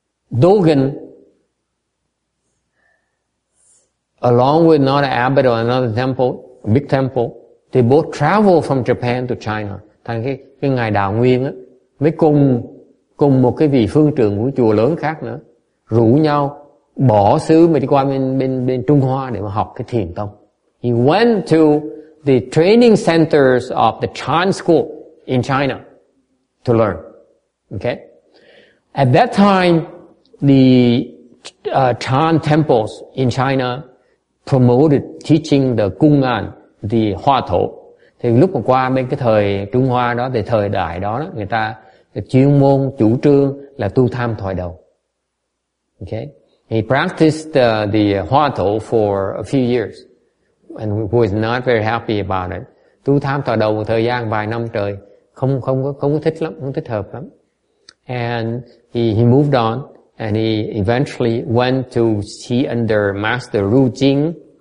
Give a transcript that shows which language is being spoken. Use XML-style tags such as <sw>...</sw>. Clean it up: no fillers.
<en>Dogen, along with another abbot or another temple, big temple, they both travel from Japan to China.</en> <vi>Thành cái ngài Đào Nguyên á, mới cùng một cái vị phương trưởng của chùa lớn khác nữa, rủ nhau bỏ xứ mà đi qua bên Trung Hoa để mà học cái thiền tông.</vi> <en>He went to the training centers of the Chan school in China to learn. Okay? At that time, the Chan temples in China promoted teaching the Kung An, thì hoa thổ.</en> <vi>Thì lúc mà qua bên cái thời Trung Hoa đó, thì thời đại đó, người ta chuyên môn chủ trương là tu tham thoại đầu.</vi> <en>Okay, he practiced the hoa thổ for a few years and was not very happy about it.</en> <vi>Tu tham thoại đầu một thời gian vài năm trời, không thích lắm, không thích hợp lắm.</vi> <en>And he moved on and he eventually went to see under Master Ru Jing.</en>